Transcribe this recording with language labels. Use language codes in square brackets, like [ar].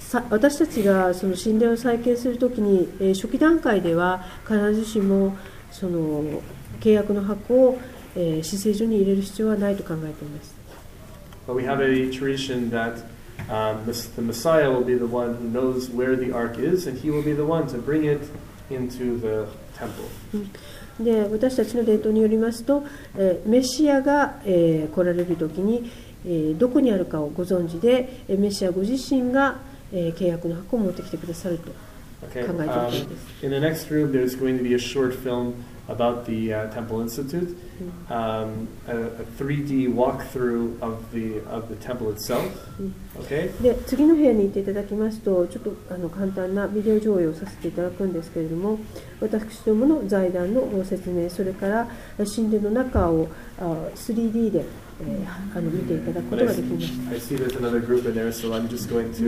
[ja] 私たちがその神殿を再建するときに、初期段階では必ずしもその契約の箱を、施政所に入れる必要はないと考えています。 [en] But we have a tradition that the Messiah will be the one who knows where the ark is and he will be the one to bring it into the temple. [ja] で私たちの伝統によりますと、メシアが、来られるときに、どこにあるかをご存知で、メシアご自身が契約の箱を持ってきてくださると考えているわけです。 [en] Okay. In the next room, there's going to be a short film about the Temple Institute, a 3D walkthrough of the temple itself. Okay. [ja] で、次の部屋に行っていただきますと、ちょっと簡単なビデオ上映をさせていただくんですけれども、私どもの財団のご説明、それから神殿の中を 3D で見ていただくことができます。 [en] I see there's another group in there, so I'm just going to.